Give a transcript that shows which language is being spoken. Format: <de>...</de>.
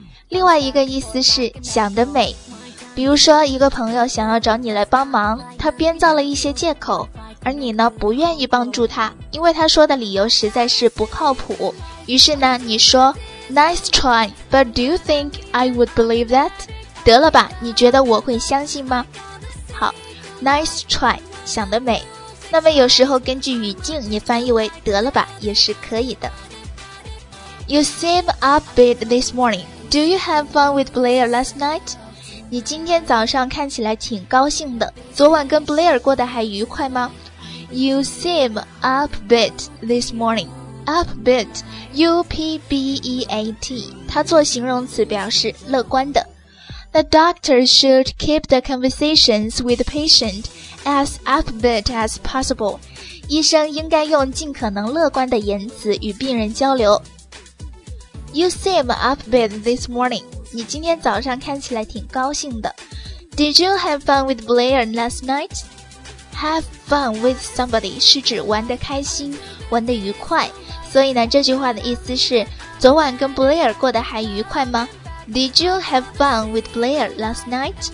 <zh>另外一个意思是想得美，比如说一个朋友想要找你来帮忙，他编造了一些借口，而你呢不愿意帮助他，因为他说的理由实在是不靠谱。于是呢你说</zh> <en>nice try， but do you think I would believe that？</en> <zh>得了吧，你觉得我会相信吗？好</zh> <en>，nice try。</en> <zh>想得美，那么有时候根据语境你翻译为得了吧也是可以的。</zh> <en>You seem upbeat this morning. Do you have fun with Blair last night?</en> <zh>你今天早上看起来挺高兴的，昨晚跟 Blair 过得还愉快吗？</zh> <en>You seem upbeat this morning. Upbeat, U-P-B-E-A-T,</en> <zh>它做形容词表示乐观的。</zh> <en>The doctor should keep the conversations with the patient as upbeat as possible.</en> <zh>医生应该用尽可能乐观的言辞与病人交流。</zh> <en>You seem upbeat this morning.</en> <zh>你今天早上看起来挺高兴的。</zh> <en>Did you have fun with Blair last night? Have fun with somebody</en> <zh>是指玩得开心，玩得愉快。所以呢，这句话的意思是，昨晚跟 Blair 过得还愉快吗？</zh> <en>Did you have fun with Blair last night?</en>